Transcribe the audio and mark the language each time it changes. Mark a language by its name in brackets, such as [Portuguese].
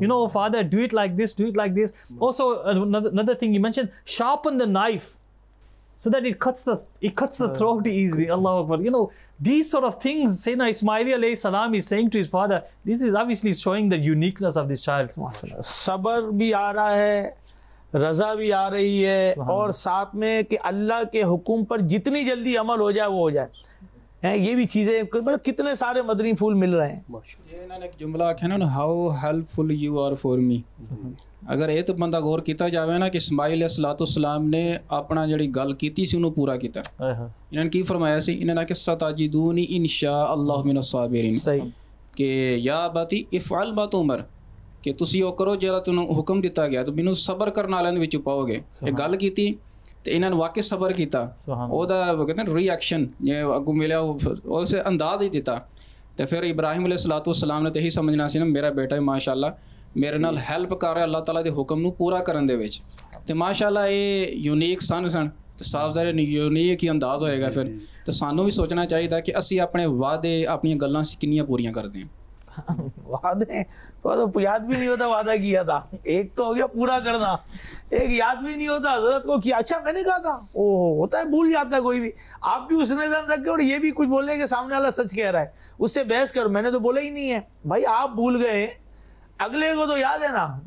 [English] you know, father, do it like this, do it like this. Allah. Also, another thing you mentioned, sharpen the knife so that it cuts the throat easily. Allahu Akbar. You know, these sort of things Sayyidina Ismail alayhi salam is saying to his father, this is obviously showing the uniqueness of this child. [Urdu] Sabr bhi aa raha hai, رضا بھی آ رہی ہے اور ساتھ میں کہ اللہ کے حکم پر جتنی جلدی عمل ہو جائے وہ ہو جائے. یہ بھی چیزیں مطلب کتنے سارے مدنی پھول مل رہے ہیں. [Punjabi] ایک جملہ ہے نا, [English] how helpful you are for me, [Punjabi] اگر یہ تو بندہ غور کیتا جاوے نا کہ اسماعیل علیہ الصلوۃ والسلام نے اپنا جڑی گل کیتی سی انہوں پورا کیتا. انہوں نے کی فرمایا سی, انہوں نے کہ [Arabic] ستجدونی انشاء اللہ من الصابرین, [Punjabi] کہ [Arabic] یا باتی افعل ما تؤمر, [Punjabi] کہ تسی او کرو جڑا تینوں حکم دیتا گیا تو مینوں صبر کرنے والے وچ پاؤ گے. یہ گل کیتی تے انہاں واقعی صبر کیتا, او دا کہندے ری ایکشن جے اگوں ملیا او اسے انداز ہی دیتا. تے پھر ابراہیم علیہ الصلوۃ والسلام نے تے ہی سمجھنا سی نا میرا بیٹا ہے ماشاءاللہ میرے نال ہیلپ کر رہا اللہ تعالیٰ دے حکم نو پورا کرن دے وچ. تے ماشاءاللہ اے یونیک سن تے صاف ظاہر یونیک ہی انداز ہوئے گا. پھر تے سانوں بھی سوچنا چاہیے کہ اسی اپنے وعدے اپنی گلاں کنیاں پوریاں کردے ہیں. [Urdu] وعدے یاد بھی نہیں ہوتا وعدہ کیا تھا, ایک تو ہو گیا پورا کرنا, ایک یاد بھی نہیں ہوتا حضرت کو کیا. اچھا میں نے کہا تھا, اوہ ہوتا ہے بھول جاتا ہے کوئی بھی. آپ بھی اس نے ذہن رکھے اور یہ بھی کچھ بولیں کہ سامنے والا سچ کہہ رہا ہے, اس سے بحث کرو. میں نے تو بولا ہی نہیں ہے بھائی, آپ بھول گئے اگلے کو تو یاد ہے نا.